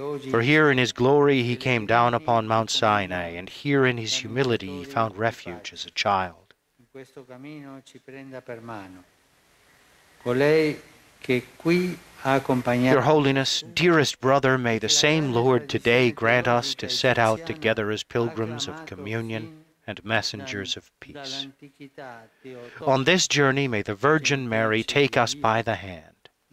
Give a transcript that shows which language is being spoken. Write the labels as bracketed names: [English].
[English] For here in his glory he came down upon Mount Sinai, and here in his humility he found refuge as a child. [Italian] In questo cammino ci prenda per mano. Colei che qui ha accompagnato. [English] Your Holiness, dearest brother, may the same Lord today grant us to set out together as pilgrims of communion and messengers of peace. On this journey, may the Virgin Mary take us by the hand.